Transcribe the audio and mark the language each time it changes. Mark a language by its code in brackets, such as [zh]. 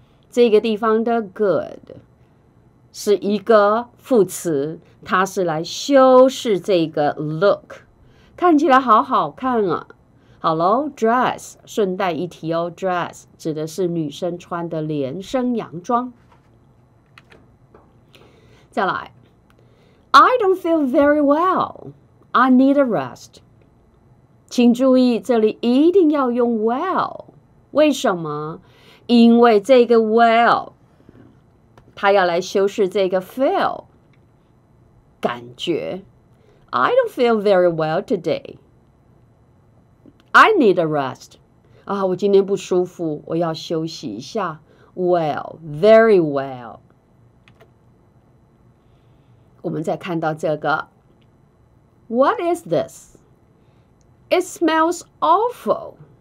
[zh] 这个地方的 good 是一个副词。它是来修饰这个 look， 看起来好好看啊。好咯 ，dress 顺带一提哦 ，dress 指的是女生穿的连身洋装。再来 [en] ，I don't feel very well， I need a rest。 [zh] 请注意，这里一定要用 well， 为什么？因为这个 well， 它要来修饰这个 feel。感觉 [en] I don't feel very well today. I need a rest. [zh] 啊，我今天不舒服，我要休息一下。 [en] Well, very well. [zh] 我们再看到这个。 [en] What is this? It smells awful.